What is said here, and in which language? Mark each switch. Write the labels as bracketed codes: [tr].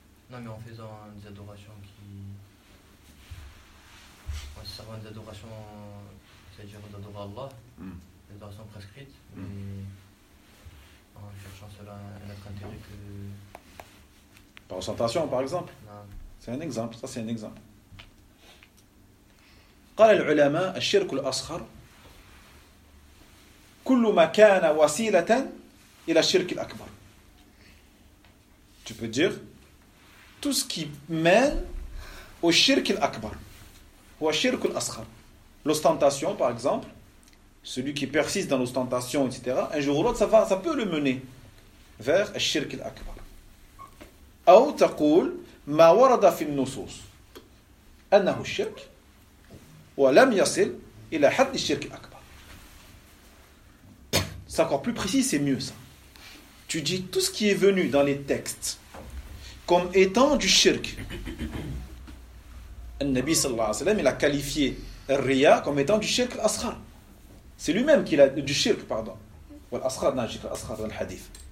[fr] Non, mais en faisant des adorations qui. En servant des adorations. C'est-à-dire d'adorer Allah, les adorations prescrites, mais en cherchant cela un autre intérêt que. Par ostentation, par exemple. Non. C'est un exemple, ça c'est un exemple. [ar] قال العلماء الشرك الأصغر كل ما كان وسيلة إلى الشرك الأكبر. [fr] Tu peux dire tout ce qui mène au shirk al-akbar ou au shirk al-asghar. L'ostentation, par exemple, celui qui persiste dans l'ostentation, etc., un jour ou l'autre, ça peut le mener vers le shirk al-akbar. [ar] أو تقول ما ورد في النصوص أنه الشرك ولم يصل إلى حد الشرك الأكبر. [fr] C'est encore plus précis, c'est mieux ça. Tu dis tout ce qui est venu dans les textes comme étant du shirk. Le Nabi sallallahu alayhi wa sallam, il a qualifié Riya comme étant du shirk al-asghar. C'est lui-même qui l'a du shirk, pardon. Al-asghar, non, shirk al-asghar dans le hadith.